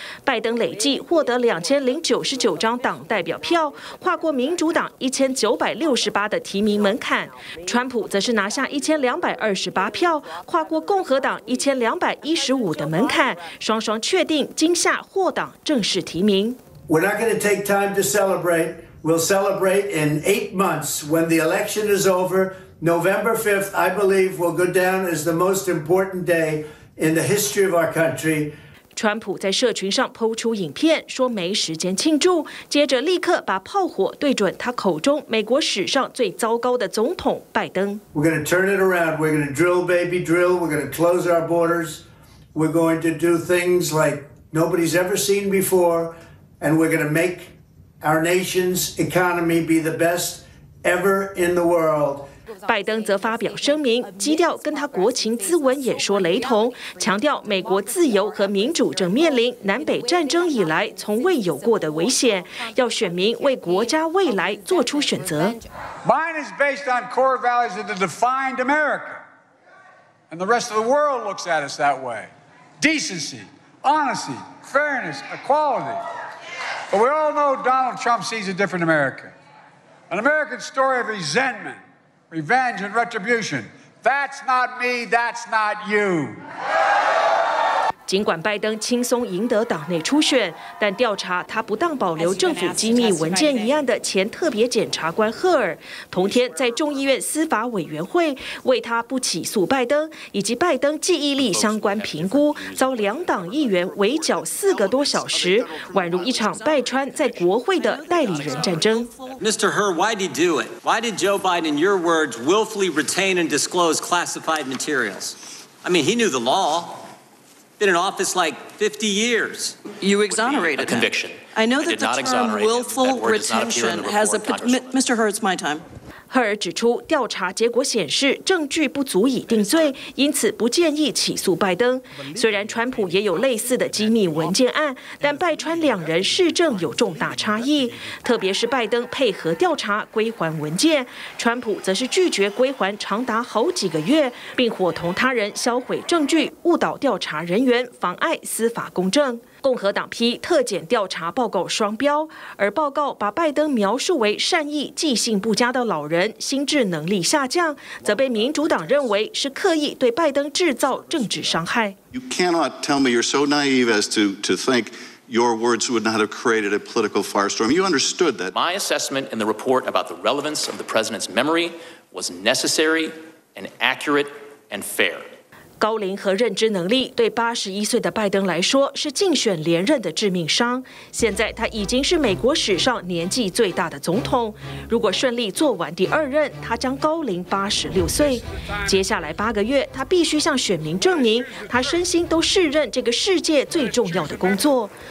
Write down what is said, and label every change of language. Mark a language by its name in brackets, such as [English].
[Chinese] 拜登累计获得2099张党代表票，跨过民主党1968的提名门槛，川普则是拿下1228票，跨过共和党1215的门槛，双双确定今夏获党正式提名。 [English] We're not going to take time to celebrate. We'll celebrate in 8 months when the election is over. November 5th, I believe, will go down as the most important day in the history of our country. [Chinese] 川普在社群上 po 出影片，说没时间庆祝，接着立刻把炮火对准他口中美国史上最糟糕的总统拜登。 [English] We're going to turn it around. We're going to drill, baby, drill. We're going to close our borders. We're going to do things like. Nobody's ever seen before, and we're going to make our nation's economy be the best ever in the world. [Chinese] 拜登则发表声明，基调跟他国情咨文演说雷同，强调美国自由和民主正面临南北战争以来从未有过的危险，要选民为国家未来做出选择。 [English] Mine is based on core values of the defined America, and the rest of the world looks at us that way. Decency. Honesty, fairness, equality. But we all know Donald Trump sees a different America. An American story of resentment, revenge, and retribution. That's not me, that's not you. [Chinese] 尽管拜登轻松赢得党内初选，但调查他不当保留政府机密文件一案的前特别检察官赫尔，同天在众议院司法委员会为他不起诉拜登以及拜登记忆力相关评估，遭两党议员围剿四个多小时，宛如一场拜川在国会的代理人战争。 [English] Mr. Herr, why did he do it? Why did Joe Biden, in your words, willfully retain and disclose classified materials? I mean, he knew the law. Been in office like 50 years. You exonerated a conviction. I know that the term willful retention has a. Mr. Herr, it's my time. [Chinese] 赫尔指出，调查结果显示证据不足以定罪，因此不建议起诉拜登。虽然川普也有类似的机密文件案，但拜川两人事证有重大差异，特别是拜登配合调查归还文件，川普则是拒绝归还长达好几个月，并伙同他人销毁证据，误导调查人员，妨碍司法公正。共和党批特检调查报告双标，而报告把拜登描述为善意、记性不佳的老人，心智能力下降，则被民主党认为是刻意对拜登制造政治伤害。 [English] You cannot tell me you're so naive as to think your words would not have created a political firestorm. You understood that. My assessment in the report about the relevance of the president's memory was necessary and accurate and fair. [Chinese] 高龄和认知能力对81岁的拜登来说是竞选连任的致命伤。现在他已经是美国史上年纪最大的总统，如果顺利做完第二任，他将高龄86岁。接下来8个月，他必须向选民证明他身心都适任这个世界最重要的工作。